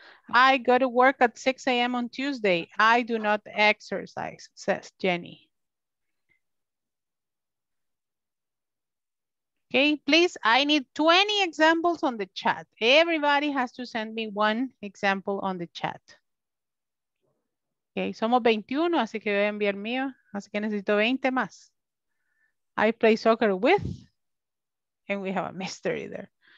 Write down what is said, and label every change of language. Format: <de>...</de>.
<en>I go to work at 6 a.m. on Tuesday. I do not exercise, says Jenny. Okay, please, I need 20 examples on the chat. Everybody has to send me one example on the chat.</en> <es>Okay, somos 21, así que voy a enviar mío. Así que necesito 20 más.</es> <en>I play soccer with, and we have a mystery there.</en>